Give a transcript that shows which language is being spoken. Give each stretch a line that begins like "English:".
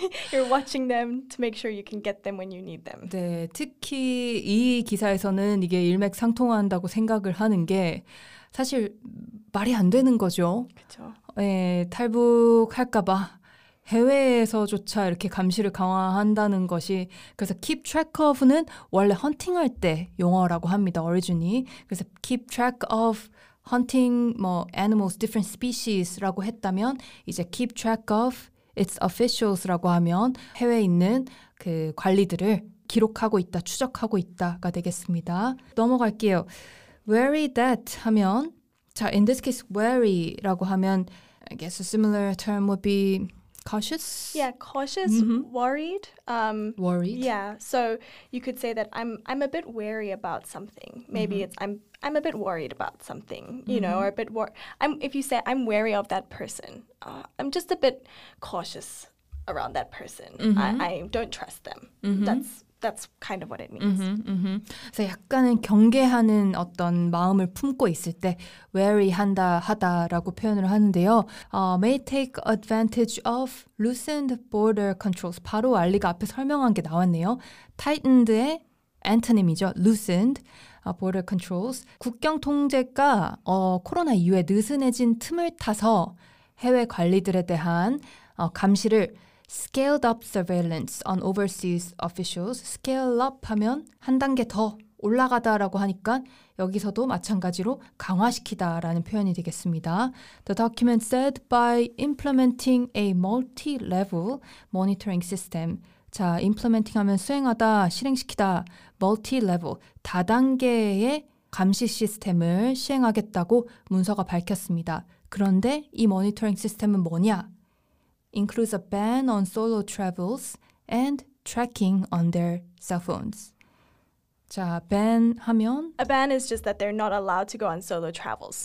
English: You're watching them to make sure you can get them when you need them.
Korean: 네, 특히 이 기사에서는 이게 일맥상통한다고 생각을 하는 게 사실 말이 안 되는 거죠. 그렇죠. 예, 탈북할까 봐 해외에서조차 이렇게 감시를 강화한다는 것이 그래서 keep track of는 원래 헌팅할 때 용어라고 합니다. 어리진이. 그래서 keep track of hunting 뭐 animals different species라고 했다면 이제 keep track of its officials라고 하면 해외에 있는 그 관리들을 기록하고 있다, 추적하고 있다가 되겠습니다. 넘어갈게요.
English: Wary that 하면, 자, in this case, wary 라고 하면, I guess a similar term would be cautious? Yeah, cautious, mm-hmm. worried. Worried? Yeah, so you could say that I'm a bit wary about something. Maybe mm-hmm. it's I'm a bit worried about something, you mm-hmm. know, or a bit if you say I'm wary of that person, I'm just a bit cautious around that person. Mm-hmm. I don't trust them. Mm-hmm. That's kind of what it means. Mm-hmm, mm-hmm.
Korean: 그래서 약간은 경계하는 어떤 마음을 품고 있을 때 wary 한다 하다라고 표현을 하는데요.
English: May take advantage of loosened border controls.
Korean: 바로 알리가 앞에 설명한 게 나왔네요. Tightened의 antonym이죠. Loosened border controls. 국경 통제가 코로나 이후에 느슨해진 틈을 타서 해외 관리들에 대한 감시를
English: Scaled up surveillance on overseas officials.
Korean: Scale up 하면 한 단계 더 올라가다라고 하니까 여기서도 마찬가지로 강화시키다라는 표현이 되겠습니다.
English: The document said by implementing a multi-level monitoring system.
Korean: 자, implementing 하면 수행하다, 실행시키다, multi-level, 다단계의 감시 시스템을 시행하겠다고 문서가 밝혔습니다. 그런데 이 모니터링 시스템은 뭐냐?
English: Includes a ban on solo travels and tracking on their cell phones.
Korean: 자, ban 하면?
English: A ban is just that they're not allowed to go on solo travels.